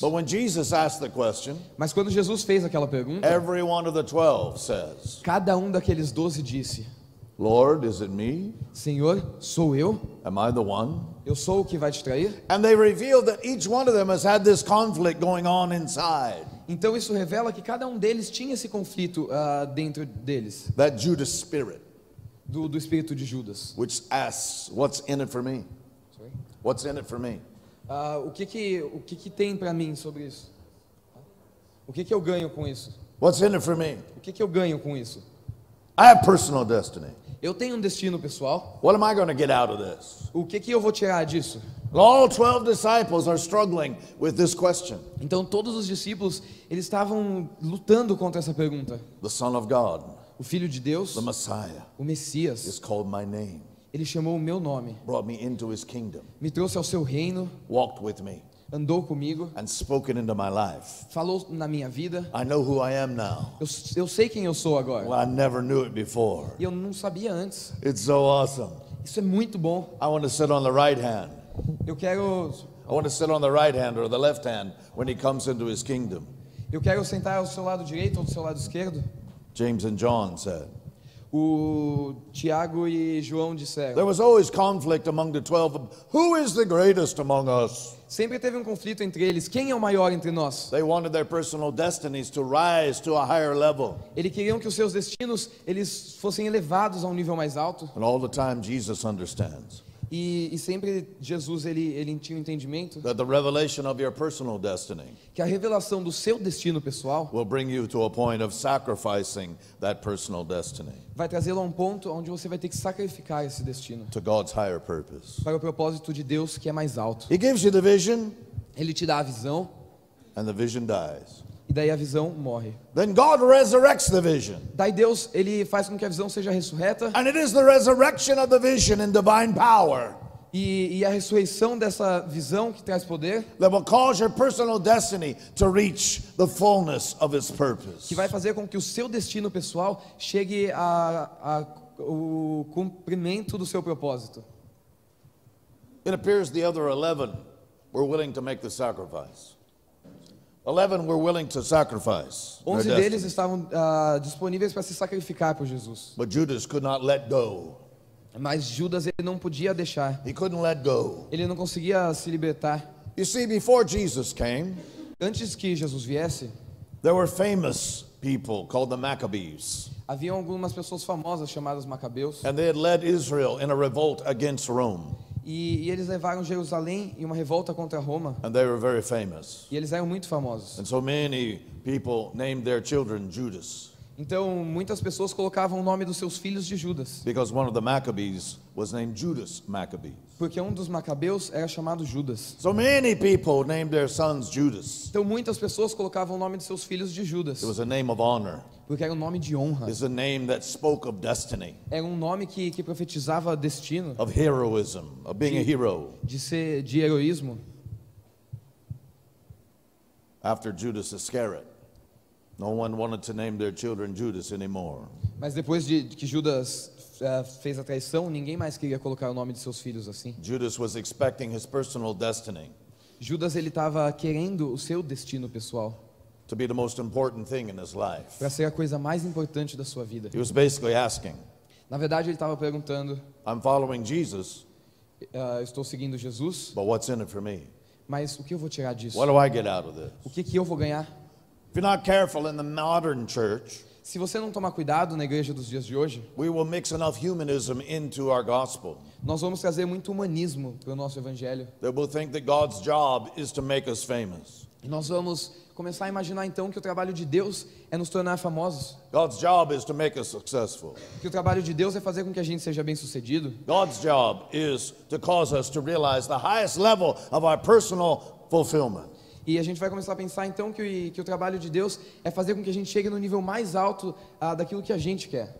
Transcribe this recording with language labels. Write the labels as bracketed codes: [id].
[en] But when Jesus asked the question, [pt] mas quando Jesus fez aquela pergunta, [en] every one of the 12 says, [pt] cada daqueles 12 disse, [en] Lord, is it me? [pt] Senhor, sou eu? [en] Am I the one? [pt] Eu sou o que vai te trair? [en] And they reveal that each one of them has had this conflict going on inside. [pt] Então isso revela que cada deles tinha esse conflito dentro deles. [en] That Judas spirit. [pt] Do espírito de Judas. [en] Which asks, what's in it for me? Sorry? What's in it for me? [pt] O que tem para mim sobre isso? O que eu ganho com isso? [en] What's in it for me? [pt] O que eu ganho com isso? [en] I have personal destiny. [pt] Eu tenho destino pessoal. [en] What am I going to get out of this? [pt] O que eu vou tirar disso? [en] All 12 disciples are struggling with this question. [pt] Então todos os discípulos, eles estavam lutando contra essa pergunta. [en] The Son of God. [pt] O Filho de Deus, [en] the Messiah, [pt] o Messias, [en] is called my name. [pt] Ele chamou o meu nome. [en] Brought me into his kingdom. [pt] Me trouxe ao seu reino. [en] Walked with me. [pt] Andou comigo. [en] And spoken into my life. [pt] Falou na minha vida. [en] I know who I am now. [pt] Eu sei quem eu sou agora. [en] Well, I never knew it before. [pt] E eu não sabia antes. [en] It's so awesome. [pt] Isso é muito bom. [en] I want to sit on the right hand. [pt] Eu quero. [en] I want to sit on the right hand or the left hand when he comes into his kingdom. [pt] Eu quero sentar ao seu lado direito ou do seu lado esquerdo. [en] James and John said. [pt] O Tiago e João disseram. [en] There was always conflict among the 12. Who is the greatest among us? [pt] Sempre teve conflito entre eles. Quem é o maior entre nós? [en] They wanted their personal destinies to rise to a higher level. [pt] Eles queriam que os seus destinos eles fossem elevados a nível mais alto. [en] And all the time Jesus understands. [pt] E sempre Jesus ele tinha um entendimento [en] that the revelation of your personal destiny [pt] que a revelação do seu destino pessoal [en] will bring you to a point of sacrificing that personal destiny [pt] vai trazê-lo a um ponto onde você vai ter que sacrificar esse destino [en] to God's higher purpose [pt] para o propósito de Deus que é mais alto. [en] He gives you the vision, [pt] ele te dá a visão, [en] and the vision dies. [pt] E daí a visão morre. [en] Then God resurrects the vision. [pt] Daí Deus ele faz com que a visão seja ressurreta. [en] And it is the resurrection of the vision in divine power. [pt] E a ressurreição dessa visão que traz poder. [en] That will cause your personal destiny to reach the fullness of its purpose. [pt] Que vai fazer com que o seu destino pessoal chegue a o cumprimento do seu propósito. [en] It appears the other 11 were willing to make the sacrifice. 11 were willing to sacrifice. [pt] 11 deles estavam disponíveis para se sacrificar por Jesus. [en] But Judas could not let go. [pt] Mas Judas ele não podia deixar. [en] He couldn't let go. [pt] Ele não conseguia se libertar. [en] You see, before Jesus came, [pt] antes que Jesus viesse, [en] there were famous people called the Maccabees. [pt] Havia algumas pessoas famosas chamadas Macabeus. [en] And they had led Israel in a revolt against Rome. [pt] E eles levaram Jerusalém em uma revolta contra Roma. [en] And they were very famous. [pt] E eles eram muito famosos. [en] And so many people named their children Judas. [pt] Então muitas pessoas colocavam o nome dos seus filhos de Judas. [en] Because one of the Maccabees was named Judas Maccabees. [pt] Porque um dos Macabeus era chamado Judas. [en] So many people named their sons Judas. [pt] Então muitas pessoas colocavam o nome dos seus filhos de Judas. [en] It was a name of honor. [pt] Porque era um nome de honra. [en] It's a name that spoke of destiny. [pt] É um nome que profetizava destino. [en] Of heroism, of being a hero. [pt] De ser de heroísmo. [en] After Judas Iscariot, no one wanted to name their children Judas anymore. [pt] Mas depois de que Judas fez a traição, ninguém mais queria colocar o nome de seus filhos assim. [en] Judas was expecting his personal destiny. [pt] Judas ele estava querendo o seu destino pessoal. [en] To be the most important thing in his life. [pt] Para ser a coisa mais importante da sua vida. [en] He was basically asking. [pt] Na verdade, ele estava perguntando. [en] I'm following Jesus. [pt] Estou seguindo Jesus. [en] But what's in it for me? [pt] Mas o que eu vou tirar disso? [en] What do I get out of this? [pt] O que eu vou ganhar? [en] If you're not careful in the modern church, [pt] se você não tomar cuidado na igreja dos dias de hoje, [en] we will mix enough humanism into our gospel. [pt] Nós vamos trazer muito humanismo para o nosso evangelho. [en] They will think that God's job is to make us famous. [pt] E nós vamos começar a imaginar então que o trabalho de Deus é nos tornar famosos. [en] God's job is to make us successful. [pt] Que o trabalho de Deus é fazer com que a gente seja bem-sucedido. [en] God's job is to cause us to realize the highest level of our personal fulfillment. [pt] E a gente vai começar a pensar então que o trabalho de Deus é fazer com que a gente chegue no nível mais alto daquilo que a gente quer.